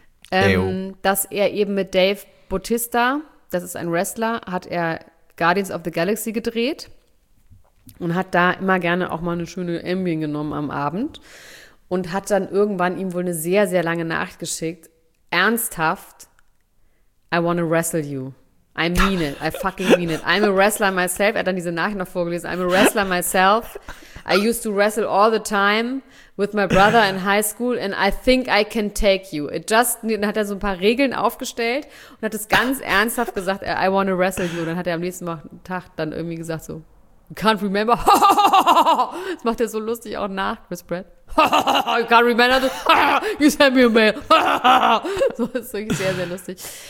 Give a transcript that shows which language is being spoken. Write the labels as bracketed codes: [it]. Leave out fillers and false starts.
[de] Ayo. dass er eben mit Dave Bautista, das ist ein Wrestler, hat er Guardians of the Galaxy gedreht und hat da immer gerne auch mal eine schöne Ambien genommen am Abend und hat dann irgendwann ihm wohl eine sehr, sehr lange Nachricht geschickt. Ernsthaft, [en] I want to wrestle you. I mean it, I fucking mean it. I'm a wrestler myself. [de] Er hat dann diese Nachricht noch vorgelesen. [en] I'm a wrestler myself. I used to wrestle all the time with my brother in high school and I think I can take you. It just, [de] dann hat er so ein paar Regeln aufgestellt und hat es ganz ernsthaft gesagt, [en] I want to wrestle you. [de] Und dann hat er am nächsten Tag dann irgendwie gesagt so, [en] you can't remember. [de] Das macht er so lustig auch nach, Chris Pratt. [en] You can't remember this. You sent me a mail. [de] So, das ist wirklich sehr, sehr lustig.